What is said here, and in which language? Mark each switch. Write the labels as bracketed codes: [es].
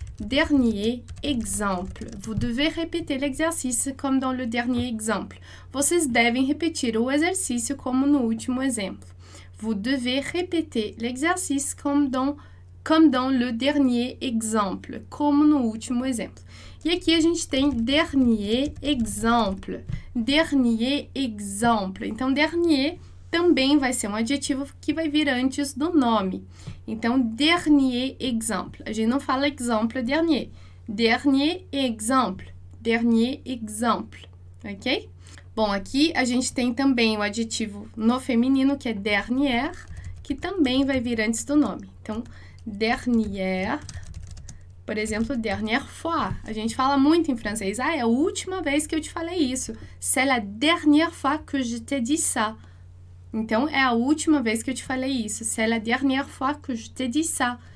[fr] Dernier exemple. Vous devez répéter l'exercice comme dans le dernier exemple. [pt] Vocês devem repetir o exercício como no último exemplo. [fr] Vous devez répéter l'exercice comme dans le dernier exemple, [pt] como no último exemplo. E aqui a gente tem dernier exemple. Dernier exemple. Então, dernier também vai ser um adjetivo que vai vir antes do nome. Então, dernier exemple. A gente não fala exemple dernier. Dernier exemple. Dernier exemple. Ok? Bom, aqui a gente tem também o adjetivo no feminino, que é dernière, que também vai vir antes do nome. Então, dernière. Por exemplo, dernière fois. A gente fala muito em francês. Ah, é a última vez que eu te falei isso. [fr] C'est la dernière fois que je t'ai dit ça. [pt] Então, é a última vez que eu te falei isso. [fr] C'est la dernière fois que je t'ai dit ça.